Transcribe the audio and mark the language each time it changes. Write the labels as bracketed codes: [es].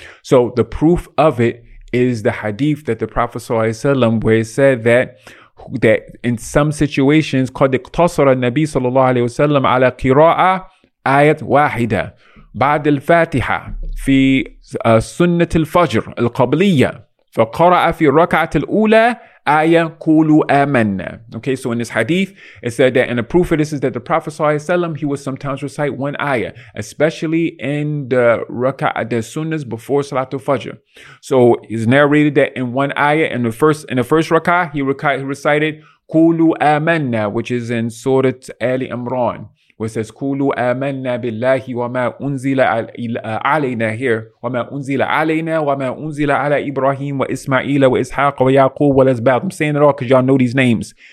[en] So the proof of it is the hadith that the Prophet ﷺ, where it said that that in some situations [ar] قد اقتصر النبي صلى الله عليه وسلم على قراءة آية واحدة بعد الفاتحة في سنة الفجر القبلية فقرأ في الركعة الأولى آية قولوا آمنا. [en] Okay, so in this hadith, it said that, and the proof of this is that the Prophet [ar] صلى الله عليه وسلم, [en] he would sometimes recite one ayah, especially in the rak'ah, the sunnahs before Salatul Fajr. So it's narrated that in one ayah, in the first rak'ah, he recited [ar] قولوا آمنا, [en] which is in Surah Ali Imran, where it says [ar] قولوا آمنا بالله وما أنزل علينا [en] here [ar] وما أنزل علينا وما أنزل على إبراهيم وإسماعيل وإسحاق ويعقوب والأسباط. [en] I'm saying it all because y'all know these names.